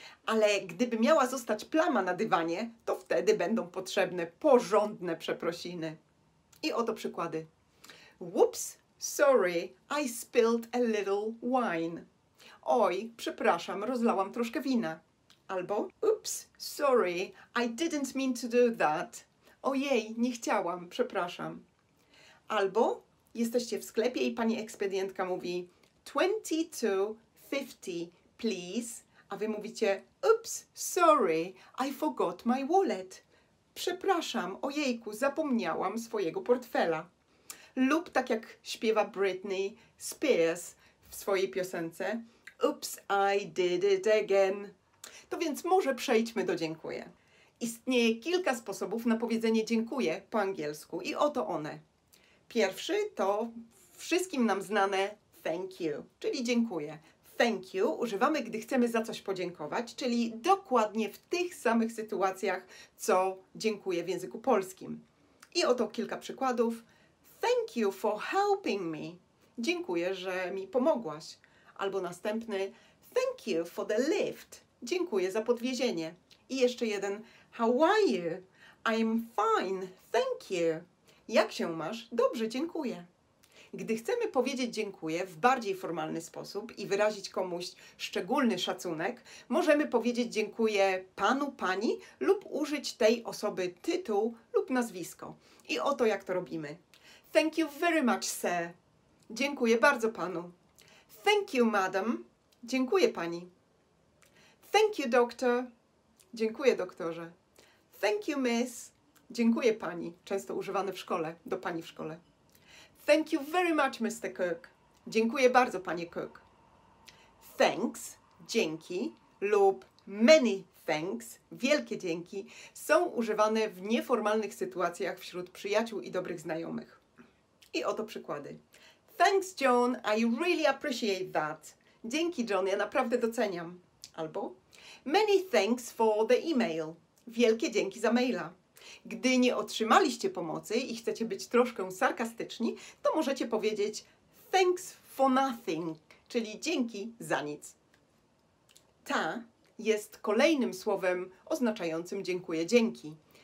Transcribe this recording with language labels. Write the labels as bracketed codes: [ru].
[pl] Ale gdyby miała zostać plama na dywanie, to wtedy będą potrzebne porządne przeprosiny. I oto przykłady. [en] Whoops, sorry, I spilled a little wine. [pl] Oj, przepraszam, rozlałam troszkę wina. [en] Albo oops, sorry, I didn't mean to do that. [pl] Ojej, nie chciałam, przepraszam. Albo jesteście w sklepie i pani ekspedientka mówi 22.50, please. A wy mówicie [en] oops, sorry, I forgot my wallet. [pl] Przepraszam, ojejku, zapomniałam swojego portfela. Lub tak jak śpiewa Britney Spears w swojej piosence [en] oops, I did it again. [pl] To więc może przejdźmy do dziękuję. Istnieje kilka sposobów na powiedzenie dziękuję po angielsku i oto one. Pierwszy to wszystkim nam znane thank you, czyli dziękuję. Thank you używamy, gdy chcemy za coś podziękować, czyli dokładnie w tych samych sytuacjach, co dziękuję w języku polskim. I oto kilka przykładów. [en] Thank you for helping me. [pl] Dziękuję, że mi pomogłaś. Albo następny. [en] Thank you for the lift. [pl] Dziękuję za podwiezienie. I jeszcze jeden. [en] How are you? I'm fine. Thank you. [pl] Jak się masz? Dobrze, dziękuję. Gdy chcemy powiedzieć dziękuję w bardziej formalny sposób i wyrazić komuś szczególny szacunek, możemy powiedzieć dziękuję panu, pani lub użyć tej osoby tytuł lub nazwisko. I oto jak to robimy. [en] Thank you very much, sir. [pl] Dziękuję bardzo panu. [en] Thank you, madam. [pl] Dziękuję pani. [en] Thank you, doctor. [pl] Dziękuję, doktorze. [en] Thank you, miss. [pl] Dziękuję pani. Często używane w szkole, do pani w szkole. [en] Thank you very much, Mr. Cook. [pl] Dziękuję bardzo, panie Cook. Thanks, dzięki, lub many thanks, wielkie dzięki, są używane w nieformalnych sytuacjach wśród przyjaciół i dobrych znajomych. I oto przykłady. [en] Thanks, John, I really appreciate that. [pl] Dzięki, John, ja naprawdę doceniam. [en] Albo many thanks for the email. [pl] Wielkie dzięki za maila. Gdy nie otrzymaliście pomocy i chcecie być troszkę sarkastyczni, to możecie powiedzieć [en] thanks for nothing, [pl] czyli dzięki za nic. Ta jest kolejnym słowem oznaczającym dziękuję, dzięki.